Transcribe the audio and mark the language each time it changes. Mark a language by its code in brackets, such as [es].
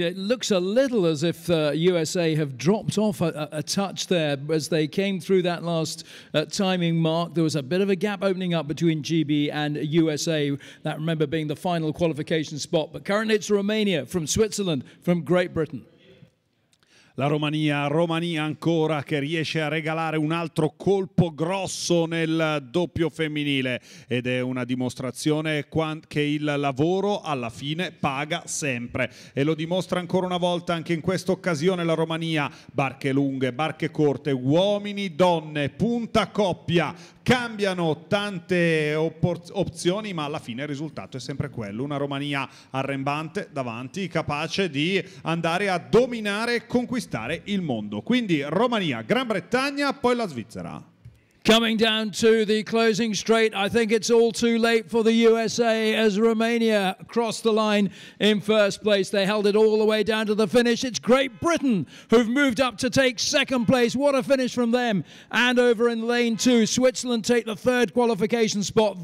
[en] It looks a little as if USA have dropped off a touch there as they came through that last timing mark. There was a bit of a gap opening up between GB and USA. That, remember, being the final qualification spot. But currently it's Romania from Switzerland, from Great Britain. [it] La Romania, Romania ancora, che riesce a regalare un altro colpo grosso nel doppio femminile. Ed è una dimostrazione che il lavoro alla fine paga sempre. E lo dimostra ancora una volta anche in questa occasione la Romania. Barche lunghe, barche corte, uomini, donne, punta coppia. Cambiano tante opzioni, ma alla fine il risultato è sempre quello. Una Romania arrembante davanti, capace di andare a dominare e conquistare il mondo. Quindi Romania, Gran Bretagna, poi la Svizzera. [en] Coming down to the closing straight, I think it's all too late for the USA as Romania crossed the line in first place. They held it all the way down to the finish. It's Great Britain who've moved up to take second place. What a finish from them. And over in lane two, Switzerland take the third qualification spot.